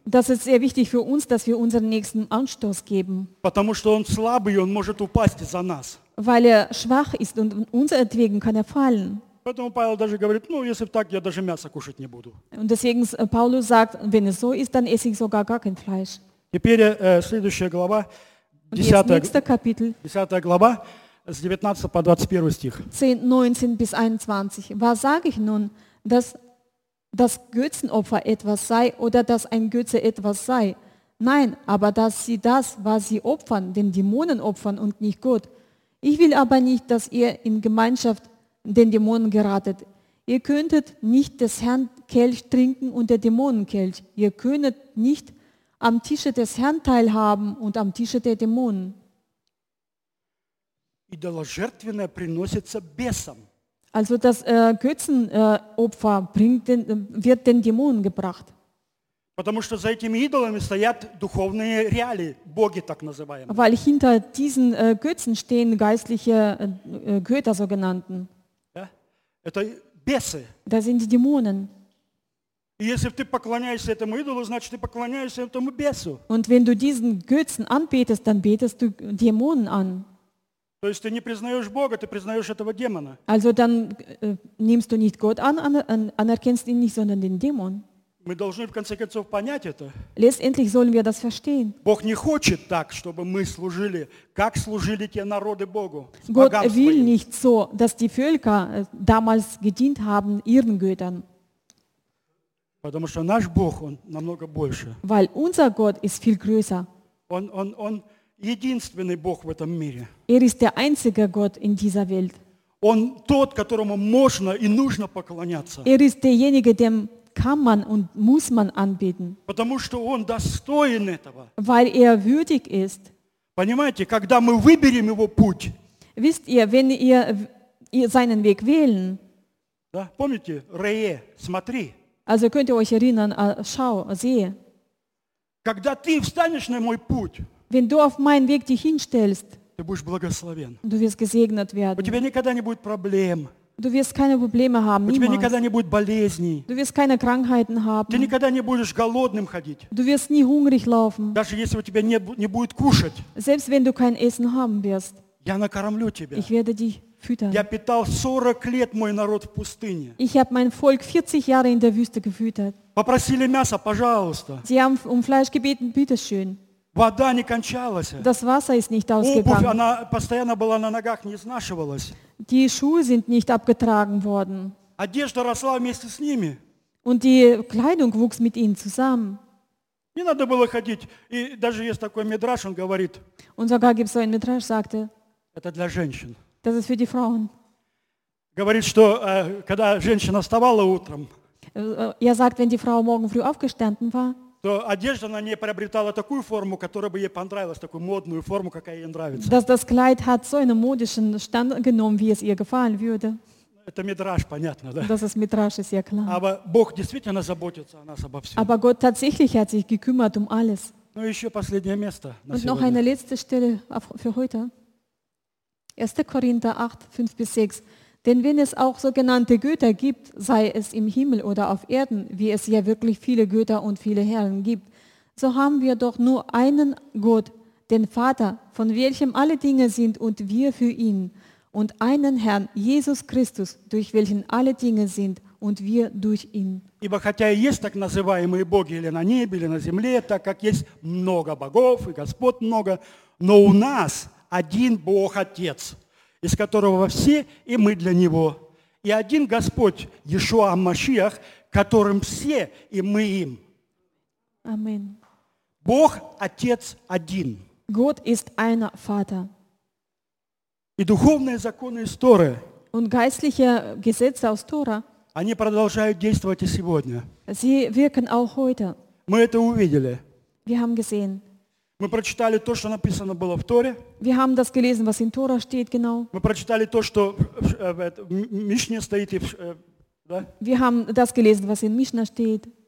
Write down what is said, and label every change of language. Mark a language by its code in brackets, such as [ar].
[de] Das ist sehr wichtig für uns, dass wir unseren Nächsten Anstoß geben. [ru] Потому что он слабый, он может упасть за нас. [de] Weil er schwach ist und unseretwegen kann er fallen. [ru] Поэтому Павел даже говорит, ну, если так, я даже мясо кушать не буду. [de] Und deswegen Paulus sagt, wenn es so ist, dann esse ich sogar gar kein Fleisch. [ru] Теперь следующая глава, 10 глава, с 19 по 21 стих. [de] 10, 19 bis 21. Was sage ich nun, dass das Götzenopfer etwas sei oder dass ein Götze etwas sei? Nein, aber dass sie das, was sie opfern, den Dämonen opfern und nicht Gott. Ich will aber nicht, dass ihr in Gemeinschaft den Dämonen geratet. Ihr könntet nicht des Herrn Kelch trinken und der Dämonen Kelch. Ihr könntet nicht am Tische des Herrn teilhaben und am Tische der Dämonen. [ru] Идоложертвенное приносится бесам. [de] Also das Götzenopfer wird den Dämonen gebracht. [ru] Потому что за этими идолами стоят духовные реалии, боги так называемые. [de] Weil hinter diesen Götzen stehen geistliche Götter sogenannten. [ru] Ja? Это бесы. [de] Das sind die Dämonen. [ru] И если ты поклоняешься этому идолу, значит ты поклоняешься этому бесу. [de] Und wenn du diesen Götzen anbetest, dann betest du Dämonen an. [ru] То есть ты не признаешь Бога, ты признаешь этого демона. [de] Also dann nimmst du nicht Gott an, anerkennst ihn nicht, sondern den Dämon. [ru] Мы должны, в конце концов, понять это. [de] Letztendlich sollen wir das verstehen. [ru] Бог не хочет так, чтобы мы служили, как служили те народы Богу. [de] Gott will nicht so, dass die Völker damals gedient haben ihren Göttern. [ru] Потому что наш Бог, он намного больше. [de] Weil unser Gott ist viel größer. [ru] Он единственный Бог в этом мире. [de] Er ist der einzige Gott in dieser Welt. [ru] Он тот, которому можно и нужно поклоняться. [de] Er ist derjenige, dem kann man und muss man anbeten. [ru] Потому что он достоин этого. [de] Weil er würdig ist. [ru] Понимаете, когда мы выберем его путь. [de] Wisst ihr, wenn ihr seinen Weg wählen. [ru] Да, помните, Рее, смотри. [de] Also könnt ihr euch erinnern, schau, sehe. [ru] Когда ты встанешь на мой путь. [de] Wenn du auf meinen Weg dich hinstellst. [ru] Ты будешь благословен. [de] Du wirst gesegnet werden. [ru] У тебя никогда не будет проблем. [de] Du wirst keine Probleme haben, [ru] у тебя никогда не будет болезней. [de] Du wirst keine Krankheiten haben. [ru] Ты никогда не будешь голодным ходить. [de] Du wirst nie hungrig laufen. [ru] Даже если у тебя не будет кушать. [de] Selbst wenn du kein Essen haben wirst. [ru] Я накормлю тебя. [de] Ich werde dich füttern. [ru] Я питал 40 лет мой народ в пустыне. [de] Ich habe mein Volk 40 Jahre in der Wüste gefüttert. [ru] Попросили мясо, пожалуйста. [de] Sie haben um Fleisch gebeten, bitteschön. [ru] Вода не кончалась. [de] Das Wasser ist nicht ausgegangen. [ru] Обувь, она постоянно была на ногах, не изнашивалась. [de] Die Schuhe sind nicht abgetragen worden. [ru] Одежда росла вместе с ними. [de] Und die Kleidung wuchs mit ihnen zusammen. [ru] Не надо было ходить. И даже есть такой Мидраш, он говорит. [de] Und sogar gibt's so einen Midrash, sagte. [ru] Это для женщин. [de] Das ist für die Frauen. [ru] Говорит, что когда женщина вставала утром. [de] Sagt, wenn die Frau morgen früh aufgestanden war. [ru] То одежда на ней приобретала такую форму, которая бы ей понравилась, такую модную форму, какая ей нравится. [de] Dass das Kleid hat so einen modischen Stand genommen, wie es ihr gefallen würde. [ru] Это Мидраш, понятно, да? [de] Das ist Midrash, ist ja klar. Aber [ru] Бог действительно заботится о нас обо всем. [de] Aber Gott tatsächlich hat sich gekümmert um alles. [ru] Ну еще последнее место. [de] Und noch eine letzte Stelle für heute. 1. Korinther 8, 5-6. Denn wenn es auch sogenannte Götter gibt, sei es im Himmel oder auf Erden, wie es ja wirklich viele Götter und viele Herren gibt, so haben wir doch nur einen Gott, den Vater, von welchem alle Dinge sind und wir für ihn, und einen Herrn, Jesus Christus, durch welchen alle Dinge sind und wir durch ihn. [ru] Ибо хотя есть так называемые боги или на небе, или на земле, так как есть много богов и Господ много, но у нас один Бог Отец. Из которого во все, и мы для Него. И один Господь, Иешуа Машиах, которым все, и мы им. Амин. Бог, Отец, один. [de] Gott ist einer Vater. [ru] И духовные законы из Торы. [de] Und geistliche Gesetze aus Tora. [ru] Они продолжают действовать и сегодня. [de] Sie wirken auch heute. [ru] Мы это увидели. [de] Wir haben gesehen. [ru] Мы прочитали то, что написано было в Торе. [de] Wir haben das gelesen, was in Tora steht, genau. [ru] Мы прочитали то, что в Мишне стоит. И, да? [de] Wir haben das gelesen, was in Mishna steht.